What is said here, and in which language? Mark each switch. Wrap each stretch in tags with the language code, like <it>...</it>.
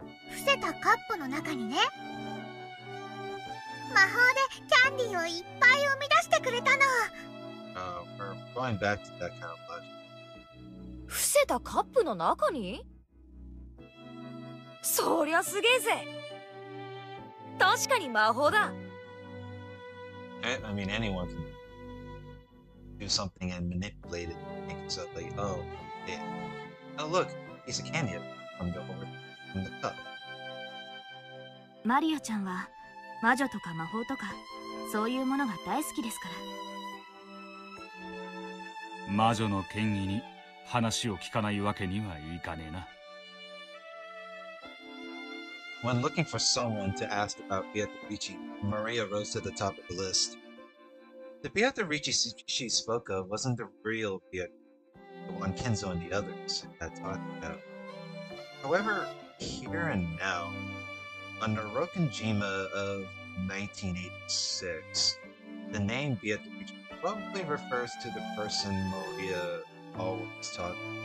<ja>伏せたカップの中にね、魔法でキャンディーをいっぱい生み出してくれたの。</ja> <en>We're going back to that kind of logic.</en> <ja>伏せたカップの中に？そりゃすげえぜ。確かに魔法だ。</ja> <en>I mean, anyone can do something and manipulate it and make it so like, oh, yeah. Oh, look, he's a candy from the cup.</en> <ja>Maria ちゃんは魔女とか魔法とかそういうものが大好きですから。魔女の権威に話を聞かないわけにはいかねえな。</ja> <en>When looking for someone to ask about Beatrice, Maria rose to the top of the list. The Beatrice she spoke of wasn't the real Beatrice, the one Kinzo and the others had talked about. However, here and now, under Rokenjima of 1986, the name Beatrice probably refers to the person Maria always taught.</en>